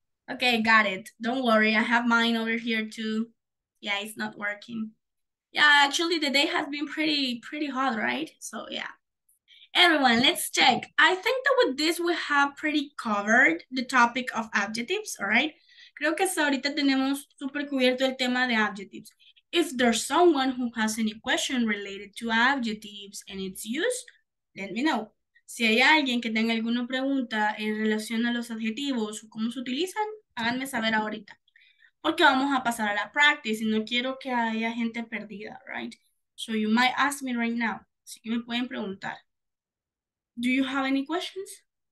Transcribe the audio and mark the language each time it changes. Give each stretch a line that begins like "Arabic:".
English: Okay, got it. Don't worry, I have mine over here too. Yeah, it's not working. Yeah, actually the day has been pretty hot, right? So yeah. Everyone, let's check. I think that with this we have pretty covered the topic of adjectives, all right?
Spanish: Creo que hasta ahorita tenemos super cubierto el tema de adjectives.
English: If there's someone who has any question related to adjectives and its use, let me know.
Spanish: Si hay alguien que tenga alguna pregunta en relación a los adjetivos o cómo se utilizan, háganme saber ahorita. Porque vamos a pasar a la practice y no quiero que haya gente perdida,
English: right? So you might ask me right now.
Spanish: Así que me pueden preguntar.
English: Do you have any questions?